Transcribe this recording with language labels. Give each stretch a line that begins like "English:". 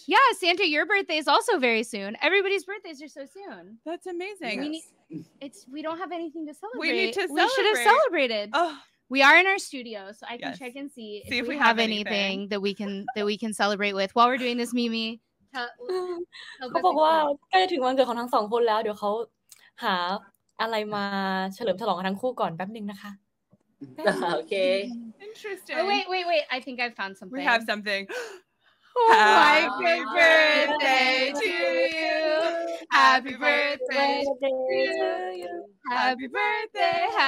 English: Yeah, Santa, your birthday is also very soon. Everybody's birthdays are so soon. That's amazing. Yes. We don't have anything to celebrate. We need to celebrate. We should have celebrated. Oh. We are in our studio, so I can check and see if we have anything that we can celebrate with while we're doing this, Mimi.
Thai: เขาบอกว่าใกล้จะถึงวันเกิดของทั้งสองคนแล้วเดี๋ยวเขาหาอะไรมาเฉลิมฉลองกันทั้งคู่ก่อนแป๊บนึงนะคะ โอเค
English: interesting wait I think I found something we have something Happy birthday to you Happy birthday to you Happy birthday